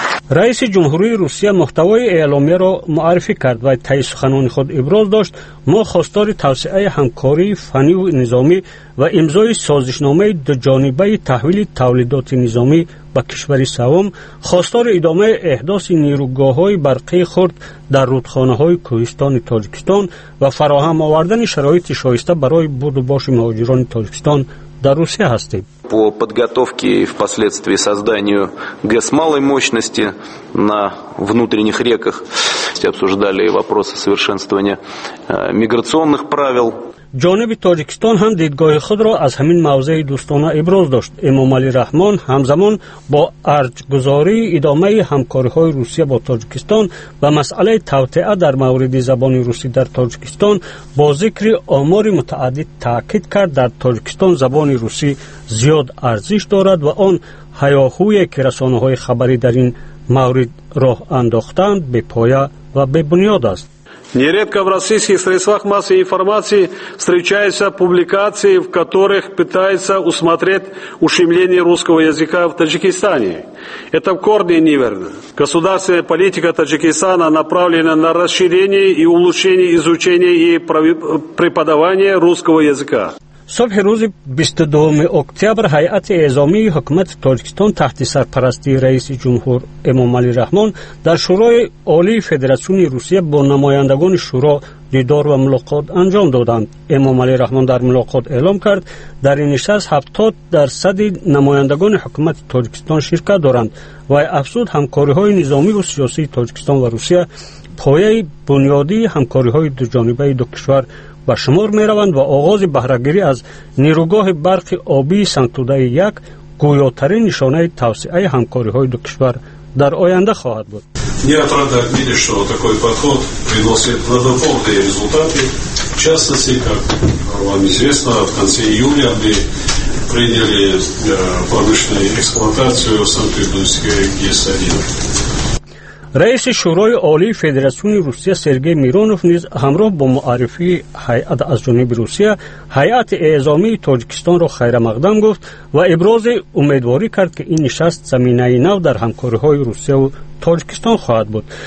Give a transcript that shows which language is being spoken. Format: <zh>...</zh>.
<fa>رئیس جمهوری روسیه محتوای اعلامیه را معرفی کرد و طی سخنان خود ابراز داشت ما خواستار توسعه همکاری فنی و نظامی و امضای سازشنامه دو جانبه تحویل تولیدات نظامی به کشور سوم، خواستار ادامه احداث نیروگاه های برقی خرد در رودخانه های کوهستان تاجیکستان و فراهم آوردن شرایط شایسته برای برد و باش مهاجران تاجیکستان در روسیه هستیم.</fa> <ru>По подготовке и впоследствии созданию ГЭС малой мощности на внутренних реках обсуждали вопросы совершенствования миграционных правил.</ru> <fa>جانب تاجیکستان هم دیدگاه خود را از همین موضع دوستانه ابراز داشت. امام علی رحمان همزمان با ارج گذاری ادامه همکاری های روسیه با تاجیکستان و مسئله توطئه در مورد زبان روسی در تاجیکستان با ذکر آمار متعدد تاکید کرد در تاجیکستان زبان روسی زیاد ارزش دارد و آن هیاهوی که رسانه های خبری در این مورد راه انداختند به پایه و به بنیاد است.</fa> <ru>Нередко в российских средствах массовой информации встречаются публикации, в которых пытаются усмотреть ущемление русского языка в Таджикистане. Это в корне неверно. Государственная политика Таджикистана направлена на расширение и улучшение изучения и преподавания русского языка.</ru> <fa>صبح روز 22 اکتبر هیئت اعزامی حکومت تاجیکستان تحت سرپرستی رئیس جمهور امام علی رحمان در شورای عالی فدراسیون روسیه با نمایندگان شورا دیدار و ملاقات انجام دادند. امام علی رحمان در ملاقات اعلام کرد در این نشست 70% نمایندگان حکومت تاجیکستان شرکت دارند و افزود همکاری های نظامی و سیاسی تاجیکستان و روسیه پایه بنیادی همکاری های دو جانبه دو کشور و شمار می روند و آغاز بهره‌گیری از نیروگاه برق آبی سنتوده یک گویاترین نشانه توسعه همکاری های دو کشور در آینده خواهد بود.</fa> <ru>Я рад видеть, что такой подход приносит плодотворные результаты. В частности, как вам известно, в конце июля мы приняли промышленную эксплуатацию Санкт-Петербургской ГИС-1.</ru> <fa>رئیس شورای عالی فدراسیون روسیه سرگی میرونوف نیز همراه با معرفی هیئت از جانب روسیه هیئت اعزامی تاجیکستان را خیر مقدم گفت و ابراز امیدواری کرد که این نشست زمینه نو در همکاری های روسیه و تاجیکستان خواهد بود.</fa>